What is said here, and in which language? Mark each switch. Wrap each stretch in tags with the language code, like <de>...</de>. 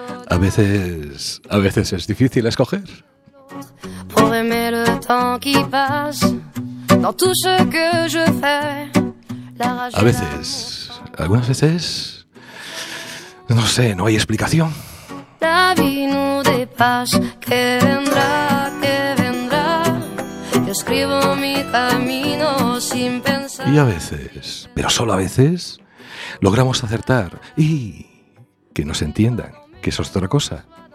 <es>A veces es difícil escoger.</es> <fr>Pour aimer le temps qui passe dans tout ce que je fais.</fr> <es>A veces, algunas veces, no sé, no hay explicación. Y a veces, pero solo a veces, logramos acertar y que nos entiendan, que eso es otra cosa.</es>